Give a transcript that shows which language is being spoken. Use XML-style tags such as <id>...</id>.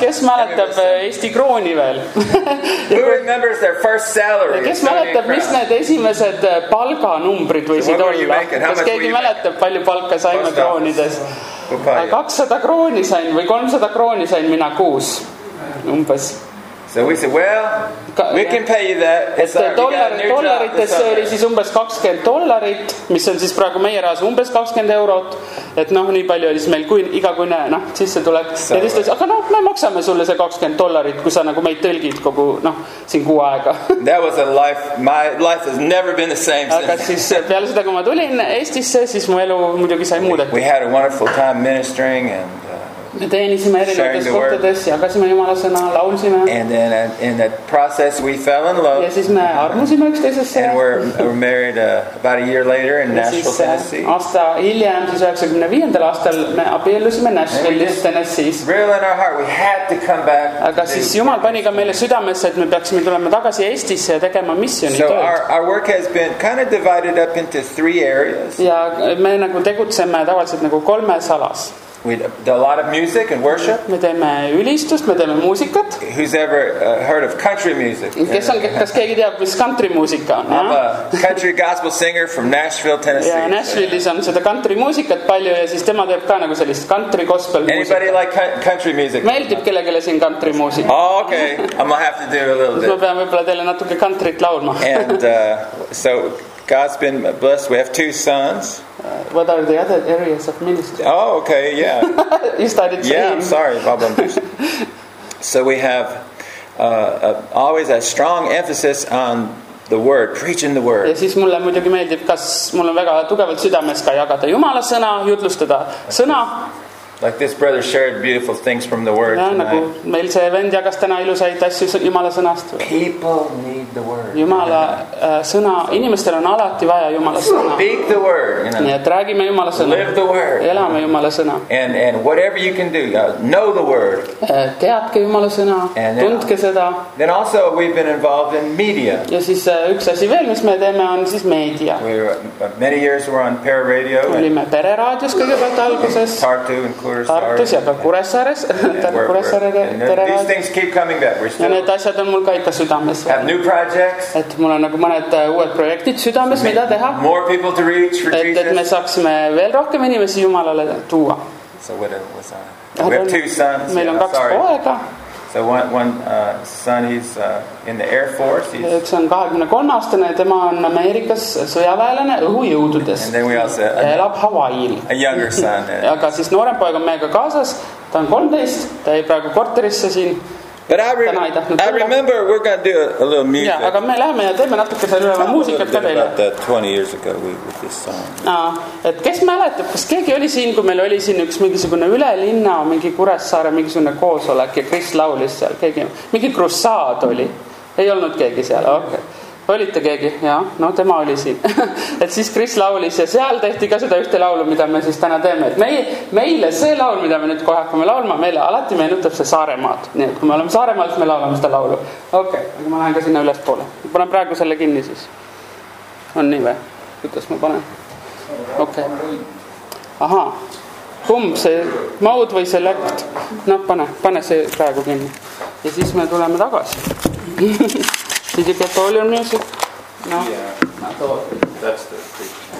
<et>Kes mäletab Eesti krooni veel?</et> <en>Who remembers their first salary?</en> <et>Kes mäletab, mis need esimesed palganumbrid võisid olla? Kes keegi mäletab, palju palka saime kroonides? 200 krooni sain või 300 krooni sain mina kuus umbes.</et> <en>So we said, well, we can pay you that. It's our, dollar, we got a new job this summer.</en> <et>See oli siis umbes 20 dollarit, mis on siis praegu meie rahas umbes 20 eurot. Et noh, nii palju oli siis meil kui igakune, noh, sisse tuleb. So ja siis ta siis, aga noh, me maksame sulle see 20 dollarit, kui sa nagu meid tõlgid kogu, noh, siin kuu aega.</et> <en>That was a life, my life has never been the same since.</en> <et>Aga siis peale seda, kui ma tulin Eestisse, siis mu elu muidugi sai muudetud.</et> <en>We had a wonderful time ministering and</en> <et>me teenisime erinevates kohtades, jagasime Jumala sõna, laulsime.</et> <en>And then in that process we fell in love.</en> <et>Ja siis me armusime üksteisesse.</et> <en>And we're married about a year later in Nashville, Tennessee.</en> <et>Aasta hiljem, siis 95. aastal me abiellusime Nashville'is, Tennessee'is.</et> <en>Real in our heart, we had to come back.</en> <et>Aga siis Jumal pani ka meile südamesse, et me peaksime tulema tagasi Eestisse ja tegema missioni tööd.</et> <en>So our work has been kind of divided up into three areas.</en> <et>Ja me nagu tegutseme tavaliselt nagu kolmes alas.</et> <en>We do a lot of music and worship.</en> <et>Me teeme ülistust, me teeme muusikat.</et> <en>Who's ever heard of country music?</en> <et>Kes on, kas keegi teab, mis country muusika on?</et> <en>I'm a country gospel singer from Nashville, Tennessee.</en> <et>Ja Nashville'is on seda country muusikat palju ja siis tema teeb ka nagu sellist country gospel muusika.</et> <en>Anybody like country music?</en> <et>Meeldib kellegele siin country muusika.</et> <en>Oh, okay. I'm gonna have to do a little bit.</en> <et>Ma pean võibolla teile natuke countryt laulma.</et> <en>And so God's been blessed. We have two sons. What are the other areas of ministry? Oh, okay, yeah. You started saying. Yeah, I'm sorry, Bob. So we have always a strong emphasis on the word, preaching the word.</en> <et>Ja siis mulle muidugi meeldib, kas mul on väga tugevalt südames ka jagada Jumala sõna, jutlustada sõna.</et> <en>Like this brother shared beautiful things from the word.</en> <et>Ja nagu meil see vend jagas täna ilusaid asju Jumala sõnast.</et> <en>People need the word.</en> <et>Jumala sõna, inimestel on alati vaja Jumala sõna.</et> <en>Speak the word, you know.</en> <et>Ja räägime Jumala sõna.</et> <en>Live the word.</en> <et>Elame Jumala sõna.</et> <en>And whatever you can do, know the word.</en> <et>Teadke Jumala sõna, tundke seda.</et> <en>Then also we've been involved in media.</en> <et>Ja siis üks asi veel, mis me teeme, on siis media.</et> <en>Many years we're on Pere Radio.</en> <et>Olime Pere Raadios kõigepealt alguses.</et> <en>Tartu and</en> <et>Tartus ja ka Kuressaares.</et> <en>These things keep coming back.</en> <et>Ja need asjad on mul ka ikka südames.</et> <en>Have new projects.</en> <et>Et mul on nagu mõned uued projektid südames, mida teha.</et> <en>More people to reach for Jesus.</en> <et>Et me saaksime veel rohkem inimesi Jumalale tuua.</et> <en>So what was that? We have two sons.</en> <et>Meil on kaks poega.</et> <en>So one son, he's in the Air Force.</en> <et>Üks on 23-aastane ja tema on Ameerikas sõjaväelane õhujõududes.</et> <en>And then we also</en> <et>ja elab Hawaii'il.</et> <en>A younger son.</en> <et>Aga siis noorem poeg on meiega kaasas. Ta on 13, ta ei praegu korterisse siin.</et> <en>But I remember we're going to do a little music.</en> <et>Yeah, aga me läheme ja teeme natuke selle muusika ka teile.</et> <en>About that 20 years ago we with this song.</en> <et>Et kes mäletab, kas keegi oli siin, kui meil oli siin üks mingisugune üle linna, mingi Kuressaare, mingisugune koosolek ja Kris laulis seal, keegi, mingi krusaad oli. Ei olnud keegi seal, okei. Olite keegi? Jah, no tema oli siin. Et siis Kris laulis ja seal tehti ka seda ühte laulu, mida me siis täna teeme. Et meile see laul, mida me nüüd kohe hakkame laulma, meile alati meenutab see Saaremaad. Nii et kui me oleme Saaremaal, siis me laulame seda laulu. Okei, aga ma lähen ka sinna üles poole. Ma panen praegu selle kinni siis. On nii või? Kuidas ma panen? Okei. Aha, kumb see mode või select? No pane see praegu kinni. Ja siis me tuleme tagasi.</et> <en>Did you get all your music? No. Yeah, I thought that's the thing.</en>